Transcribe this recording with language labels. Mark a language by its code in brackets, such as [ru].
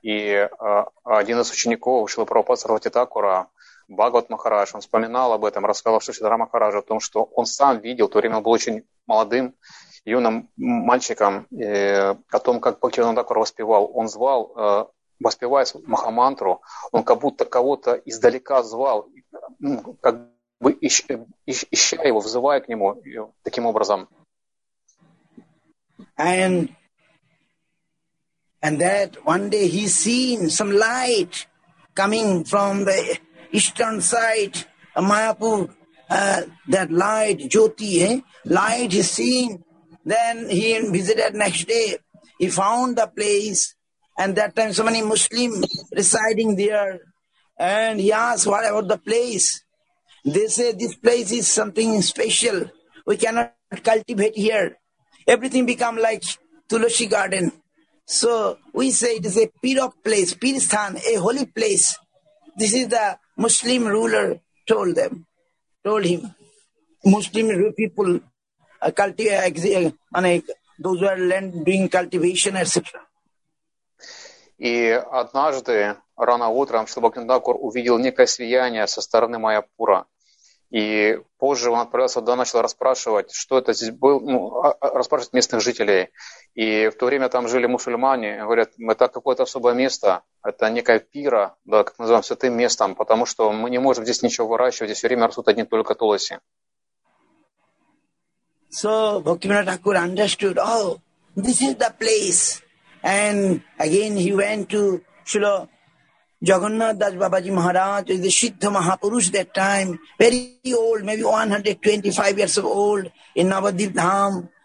[ru] И один из учеников Шрила Прабхупады Сарасвати Такура, Бхагават Махарадж, он вспоминал об этом, рассказал Шридхара Махараджу о том, что он сам видел, в то время он был очень молодым, юным мальчиком, о том, как Бхактивинода Тхакур воспевал. Он звал, воспевая Махамантру, он как будто кого-то издалека звал, как бы ища его, взывая к нему таким образом. [en] And that one day he seen some light coming from the eastern side, Mayapur, that light, Jyoti, light he seen. Then he visited next day. He found the place, and that time so many Muslims residing there. And he asked, what about the place? They say, this place is something special. We cannot cultivate here. Everything become like Tulasi garden. So we say it is a Pir of place, Pir Sthan, a holy place. This is the Muslim ruler told him. Muslim people, those who are land doing cultivation, etc. [ru] И однажды, рано утром, Шрила Бхактивинода Тхакур увидел некое сияние со стороны Майяпура. И позже он отправился туда, начал расспрашивать, что это здесь было, ну, расспрашивать местных жителей. И в то время там жили мусульмане, говорят, это какое-то особое место, это некая пира, да, как называем, святым местом, потому что мы не можем здесь ничего выращивать, здесь все время растут одни только тулоси. [en] So Bhaktivinoda Thakur understood, oh, this is the place. And again he went to Srila Jagannath Das Babaji Maharaj, the Siddha Mahapurush that time, very old, maybe 125 years of old in Navadvip Dham.